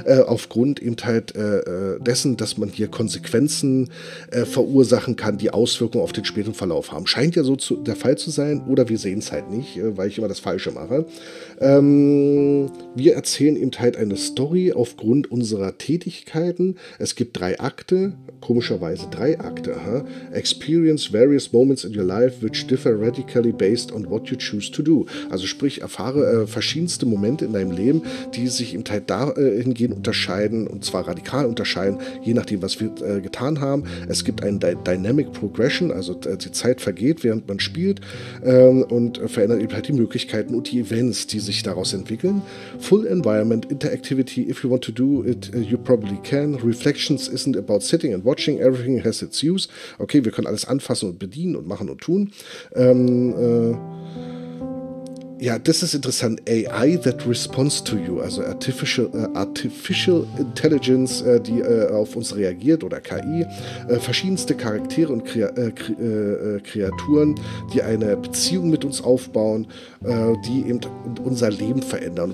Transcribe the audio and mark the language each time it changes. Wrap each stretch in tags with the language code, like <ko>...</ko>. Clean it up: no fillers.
<de>Aufgrund eben halt dessen, dass man hier Konsequenzen verursachen kann, die Auswirkungen auf den späteren Verlauf haben. Scheint ja so der Fall zu sein. Oder wir sehen es halt nicht. Weil ich immer das Falsche mache. Wir erzählen eben halt eine Story aufgrund unserer Tätigkeiten. Es gibt drei Akte, komischerweise drei Akte. Huh?</de> <en>Experience various moments in your life which differ radically based on what you choose to do.</en> <de>Also sprich, erfahre verschiedenste Momente in deinem Leben, die sich eben halt dahingehend unterscheiden, und zwar radikal unterscheiden, je nachdem, was wir getan haben. Es gibt eine Dynamic Progression, also die Zeit vergeht, während man spielt und verändert eben halt die Möglichkeiten und die Events, die sich daraus entwickeln.</de> <en>Full Environment, Interactivity, if you want to do it, you probably can. Reflections isn't about sitting and watching, everything has its use.</en> <de>Okay, wir können alles anfassen und bedienen und machen und tun. Ja, das ist interessant.</de> <en>AI that responds to you,</en> <de>also Artificial Intelligence, die auf uns reagiert, oder KI. Verschiedenste Charaktere und Kreaturen, die eine Beziehung mit uns aufbauen, die eben unser Leben verändern.</de>